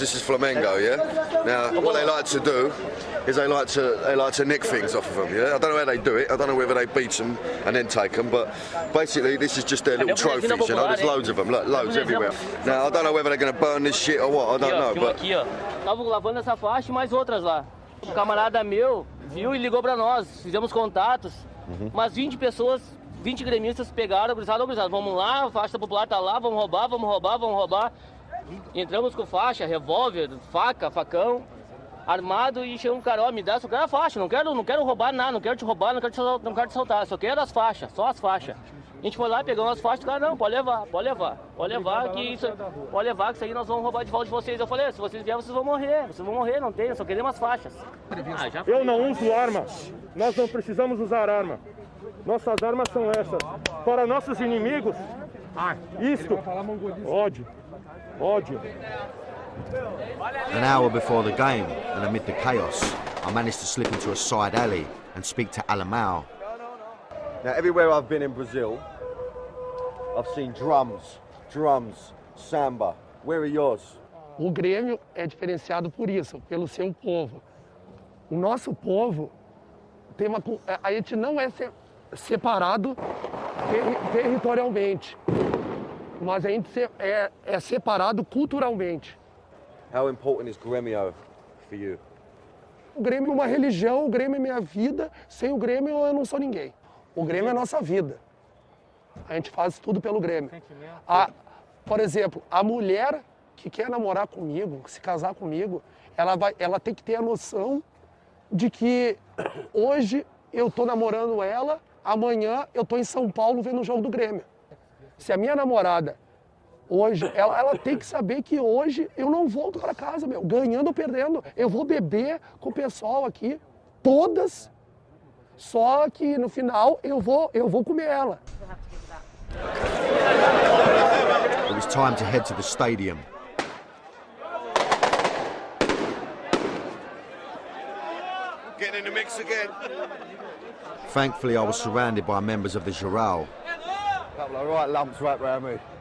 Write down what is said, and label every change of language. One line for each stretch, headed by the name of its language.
English: This is Flamengo, yeah? Now, what they like to do is they like to nick things off of them, yeah? I don't know how they do it. I don't know whether they beat them and then take them, but basically, this is just their little trophies, you know? There's loads of them, look, loads everywhere. Now, I don't know whether they're going to burn this shit or what. I don't know, but...
Portuguese: Tava lavando essa faixa e mais outras lá. Um camarada meu viu e ligou para nós. Fizemos contatos. Mas 20 pessoas, 20 gremistas pegaram, cruzado, vamos lá, a faixa popular tá lá, vamos roubar. Entramos com faixa, revólver, faca, facão, armado e chegou um cara, ó, me dá, só quero a faixa, não quero roubar nada, não quero te assaltar, só quero as faixas, só as faixas. A gente foi lá, pegou as faixas, o cara, não, pode levar, que isso aí nós vamos roubar de volta de vocês. Eu falei, se vocês vierem, vocês vão morrer, não tem, só queremos as faixas. Eu não uso armas. Nós não precisamos usar arma. Nossas armas são essas. Para nossos inimigos, isto, ódio.
English: An hour before the game, and amid the chaos, I managed to slip into a side alley and speak to Alemão. Now, everywhere I've been in Brazil, I've seen drums, samba. Where are yours?
Portuguese: O Grêmio é diferenciado por isso, pelo ser um povo. O nosso povo tem uma... A gente não é separado territorialmente, mas a gente é separado culturalmente.
English: How important is Grêmio for you?
Portuguese: O Grêmio é uma religião, o Grêmio é minha vida. Sem o Grêmio eu não sou ninguém. O Grêmio é a nossa vida. A gente faz tudo pelo Grêmio. Por exemplo, a mulher que quer namorar comigo, se casar comigo, ela tem que ter a noção de que hoje eu estou namorando ela, amanhã eu estou em São Paulo vendo o jogo do Grêmio. Se a minha namorada hoje, ela tem que saber que hoje eu não volto para casa, meu. Ganhando ou perdendo, eu vou beber com o pessoal aqui, todas. Só que no final eu vou comer ela.
English: It was time to head to the stadium. Getting in the mix again. Thankfully, I was surrounded by members of the Giral. Couple of right lumps wrapped around me.